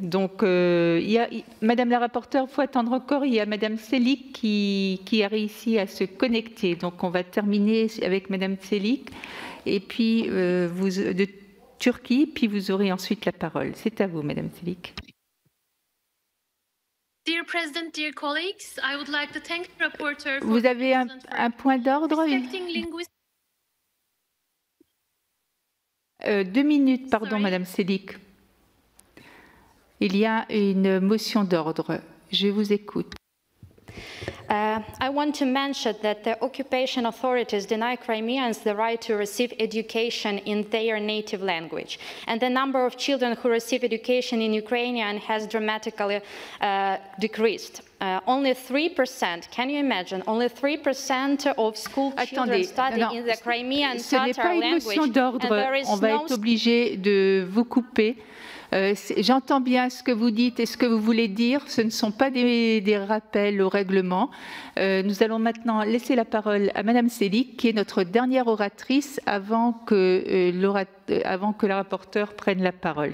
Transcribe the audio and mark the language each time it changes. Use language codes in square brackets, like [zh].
[fr] Donc, Madame la rapporteure, il faut attendre encore. Il y a Madame Selick qui a réussi à se connecter. Donc, on va terminer avec Madame Selick. Et puis, vous, de Turquie, puis vous aurez ensuite la parole. C'est à vous, Madame Selick. [en] Dear President, dear colleagues, I would like to thank the reporter. [fr] Vous avez un point d'ordre. Deux minutes, pardon, sorry. Madame Selick. Il y a une motion d'ordre. Je vous écoute. [en] I want to mention that the occupation authorities deny Crimeans the right to receive education in their native language. And the number of children who receive education in Ukrainian has dramatically decreased. Only 3%, can you imagine, only 3% of school children study in the Crimean Tatar language. [fr] Ce n'est pas une motion d'ordre, on va être obligé de vous couper. J'entends bien ce que vous dites et ce que vous voulez dire. Ce ne sont pas des rappels au règlement. Nous allons maintenant laisser la parole à Madame Selick, qui est notre dernière oratrice avant que la rapporteure prenne la parole.